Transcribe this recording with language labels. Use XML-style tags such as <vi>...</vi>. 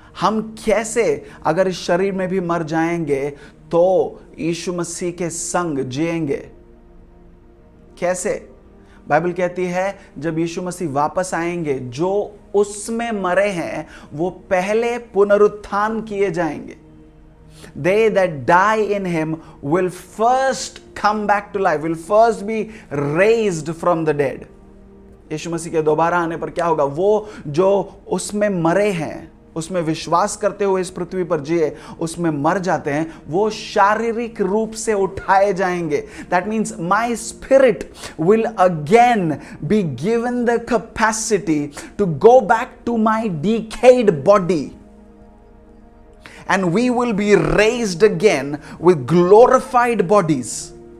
<hi>हम कैसे अगर इस शरीर में भी मर जाएंगे तो यीशु मसीह के संग जिएंगे? कैसे? बाइबल कहती है जब यीशु मसीह वापस आएंगे जो उसमें मरे हैं वो पहले पुनरुत्थान किए जाएंगे।</hi> <en>They that die in him will first come back to life, will first be raised from the dead.</en> <hi>यीशु मसीह के दोबारा आने पर क्या होगा? वो जो उसमें मरे हैं, उसमें विश्वास करते हुए इस पृथ्वी पर जिए, उसमें मर जाते हैं, वो शारीरिक रूप से उठाए जाएंगे।</hi> <en>That means my spirit will again be given the capacity to go back to my decayed body. And we will be raised again with glorified bodies.</en>